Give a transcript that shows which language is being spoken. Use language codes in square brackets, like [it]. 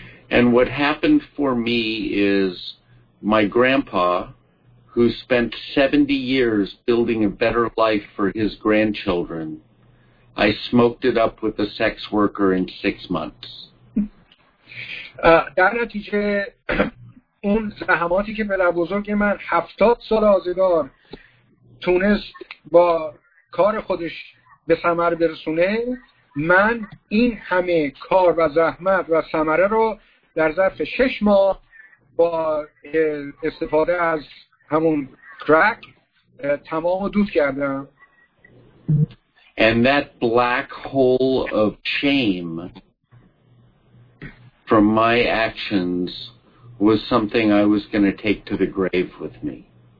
[en] And what happened for me is my grandpa who spent 70 years building a better life for his grandchildren, I smoked it up with a sex worker in 6 months. [fa] در نتیجه اون زحماتی که پدر بزرگ من 70 سال آزگار تونست با کار خودش به ثمر برسونه، من این همه کار و زحمت و ثمره رو در ظرف 6 ماه با استفاده از همون کرک تمام دود کردم. [en] And that black hole of shame from my actions was something I was going to take to the grave with me.